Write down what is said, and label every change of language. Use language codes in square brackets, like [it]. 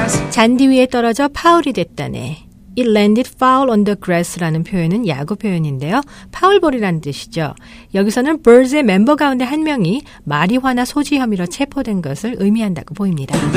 [ko] 잔디 위에 떨어져 파울이 됐다네. [en] It landed foul on the grass [ko] 라는 표현은 야구 표현인데요. 파울볼이라는 뜻이죠. 여기서는 Birds의 멤버 가운데 한 명이 마리화나 소지 혐의로 체포된 것을 의미한다고 보입니다.